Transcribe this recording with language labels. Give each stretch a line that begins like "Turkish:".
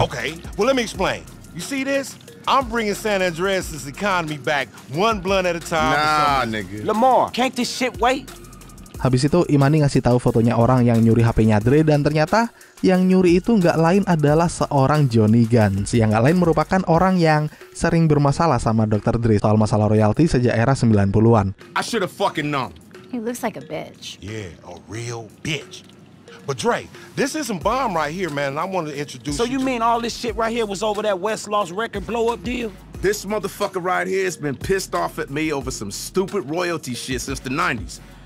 English: Okay, well let me explain. You see this? I'm bringing San Andreas' economy back one blunt at a time. Nah, nigga. Lamar, can't this shit wait?
Indonesian: Habis itu Imani ngasih tahu fotonya orang yang nyuri HP-nya Dre dan ternyata yang nyuri itu nggak lain adalah seorang Johnny Gans yang nggak lain merupakan orang yang sering bermasalah sama Dr. Dre soal masalah royalti sejak era 90-an.
English: I should have fucking known. He looks like a bitch. Yeah, a real bitch. But Dre, this is some bomb right here, man, and I wanted to introduce you. So you mean all this shit right here was over that Westlaw's record blow-up deal? This motherfucker right here has been pissed off at me over some stupid royalty shit since the 90s.